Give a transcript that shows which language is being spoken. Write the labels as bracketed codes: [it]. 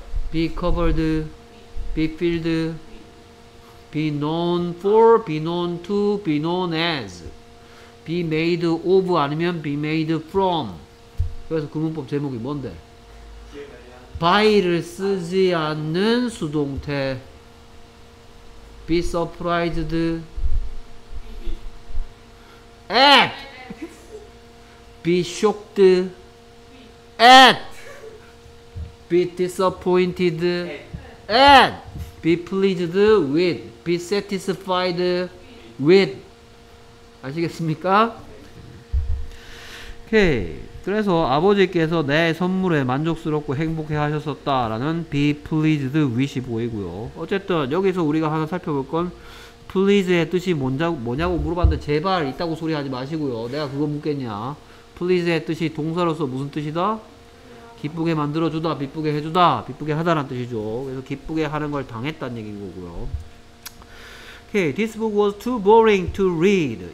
[en] be covered, be filled, be known for, be known to, be known as, be made of [ko] 아니면 [en] be made from. [ko] 그래서 그 문법 제목이 뭔데? by를 쓰지 않는 수동태. [en] be surprised at, be shocked at, be disappointed at, be pleased with, be satisfied with. [ko] 아시겠습니까? 오케이. 그래서 아버지께서 내 선물에 만족스럽고 행복해 하셨었다라는 [en] be pleased with [ko] 이 보이고요. 어쨌든 여기서 우리가 하나 살펴볼 건 please의 뜻이 뭐냐고 물어봤는데 제발 있다고 소리하지 마시고요. 내가 그거 묻겠냐. please의 뜻이 동사로서 무슨 뜻이다? 기쁘게 만들어주다, 기쁘게 해주다, 기쁘게 하다란 뜻이죠. 그래서 기쁘게 하는 걸 당했다는 얘기인 거고요. [en] Okay, this book was too boring to read.